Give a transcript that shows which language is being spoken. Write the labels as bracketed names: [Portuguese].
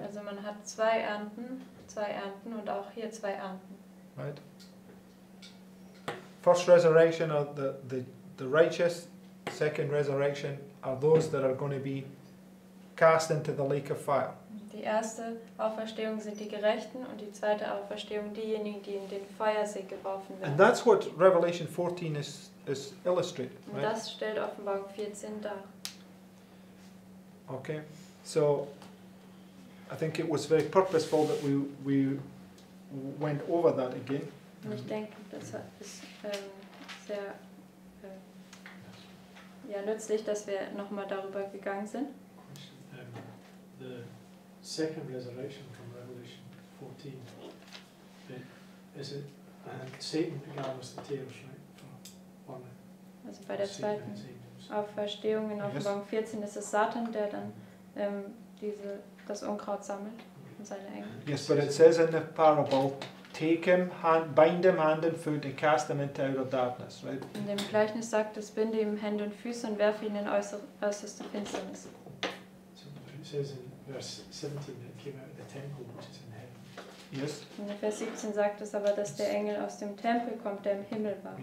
[German] Also man hat zwei Ernten und auch hier zwei Ernten. [English] Right. First resurrection are the righteous, second resurrection are those that are going to be cast into the lake of fire. [German] Die erste Auferstehung sind die Gerechten und die zweite Auferstehung diejenigen, die in den Feuersee geworfen werden. [English] And that's what Revelation 14 is illustrated, right? [German] Und das stellt Offenbarung 14 dar. [English] Okay. So I think it was very purposeful that we went over that again. [German] Und ich denke, das ist sehr nützlich, dass wir nochmal darüber gegangen sind. [English] The second resurrection from Revelation 14. Is it Satan regardless of the tears, right? [German] Also bei der zweiten Auferstehung in Offenbarung 14 ist es Satan, der dann das Unkraut sammelt und seine Engel. [English] Yes, but it says in the parable, take him, bind him hand and foot and cast him into outer darkness, right? [German] In dem Gleichnis sagt es, binde ihm Hände und Füße und werfe ihn in äußerste Finsternis. [English] So it says in verse 17 that came out of the temple, which is in heaven. Yes. [German] In Vers 17 sagt es aber, dass der Engel aus dem Tempel kommt, der im Himmel war.